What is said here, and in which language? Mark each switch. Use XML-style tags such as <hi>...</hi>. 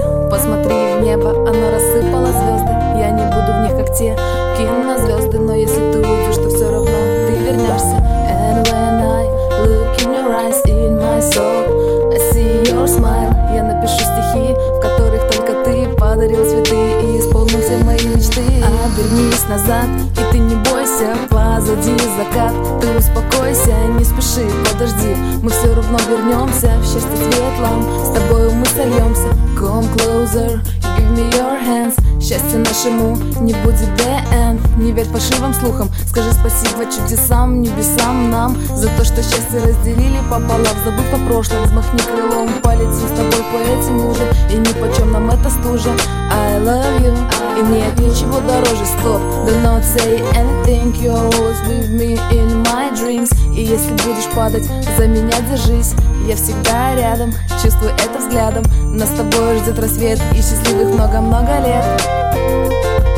<ru>Посмотри в небо, оно рассыпало звезды. Я не буду в них, как те кинозвезды. Но если ты увидишь, то все равно ты вернешься.</ru> <en>And when I look in your eyes, in my soul, I see your smile.</en> <ru>Я напишу стихи, в которых только ты подарил цветы и исполнил все мои мечты. Обернись назад, и ты не бойся, позади закат. Ты успокойся, не спеши, подожди. Мы все равно вернемся в счастье светлом. С тобою мы сольемся.</ru> <en>Come closer, give me your hands.</en> <ru>Счастье нашему не будет</ru> <en>the end.</en> <ru>Не верь фальшивым слухам, скажи спасибо чудесам, небесам, нам за то, что счастье разделили пополам. Забыв о прошлом, взмахни крылом, полетим с тобой по этим лужам. И ни почем нам эта стужа.</ru> <en>I love you,</en> <ru>и нет ничего дороже.</ru> <en>Stop, do not say anything. You're always with me in my dreams.</en> <ru>И если будешь падать, за меня держись. Я всегда рядом, чувствую это взглядом. Нас с тобой ждет рассвет и счастливых много-много лет.</ru>